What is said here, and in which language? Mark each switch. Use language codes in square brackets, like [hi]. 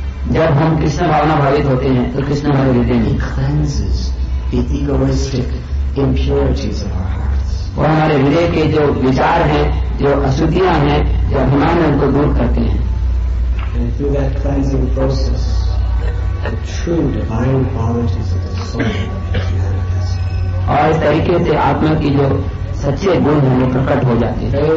[hi] जब हम कृष्ण भावना भावित होते हैं तो कृष्ण हमारे हृदय में [en] the egoistic impurities of our hearts. [hi] वो हमारे हृदय के जो विचार हैं जो अशुद्धियां हैं जो अभिमान है उनको दूर करते हैं। [en] And through that cleansing process, the true divine qualities of the soul manifest. [hi] और इस तरीके से आत्मा की जो सच्चे गुण हैं वो प्रकट हो जाते